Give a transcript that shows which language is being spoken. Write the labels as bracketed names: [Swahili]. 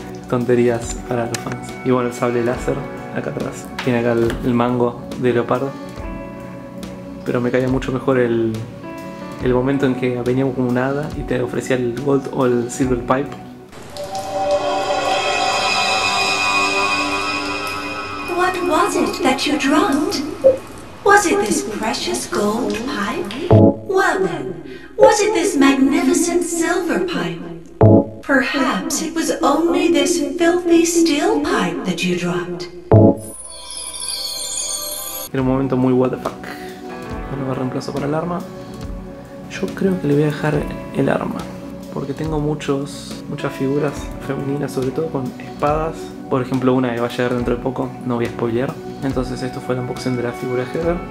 [Spanish] Tonterías para los fans. Y bueno, el sable láser, acá atrás. Tiene acá el mango de leopardo. Pero me caía mucho mejor el momento en que venía como un hada y te ofrecía el gold o el silver pipe. [English] What was it that you drowned? Was it this precious gold pipe? Well then, was it this magnificent silver pipe? Perhaps it was only this filthy steel pipe that you dropped. [Spanish] Era un momento muy [English] what the fuck. [Spanish] Bueno, me reemplazo por el arma. Yo creo que le voy a dejar el arma, porque tengo muchas figuras femeninas, sobre todo con espadas. Por ejemplo, una que va a llegar dentro de poco, no voy a spoilear. Entonces, esto fue el unboxing de la figura de Heather.